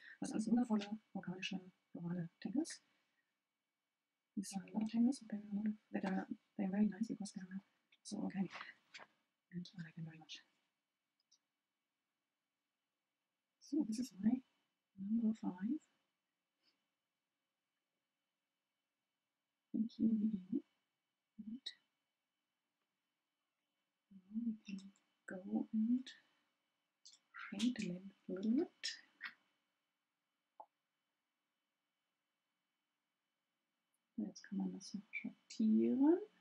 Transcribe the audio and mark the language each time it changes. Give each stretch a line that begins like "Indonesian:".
German: Das ist wundervolle organische globale Tangles. Ich sage,
English: lot of Tangles, they're very nice because they're so organic. And I like them very much. So, this is my number five. Thank you. And now we can go and shrink the lid a little bit.
German: Jetzt kann man das noch schattieren.